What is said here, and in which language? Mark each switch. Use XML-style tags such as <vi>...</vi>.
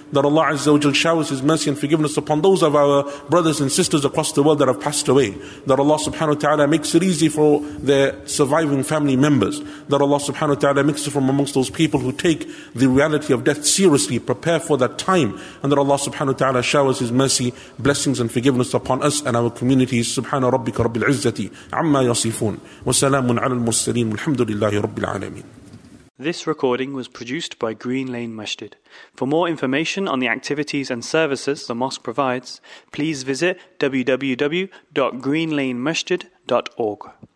<en>That Allah Azza wa Jal showers His mercy and forgiveness upon those of our brothers and sisters across the world that have passed away. That Allah subhanahu wa ta'ala makes it easy for their surviving family members. That Allah subhanahu wa ta'ala makes us from amongst those people who take the reality of death seriously, prepare for that time. And that Allah subhanahu wa ta'ala showers His mercy, blessings and forgiveness upon us and our communities.</en> <ar>سبحان ربك رب العزة عما يصفون وسلام على المرسلين والحمد لله رب العالمين.</ar> <en>This recording was produced by Green Lane Masjid. For more information on the activities and services the mosque provides, please visit www.greenlanemasjid.org.</en>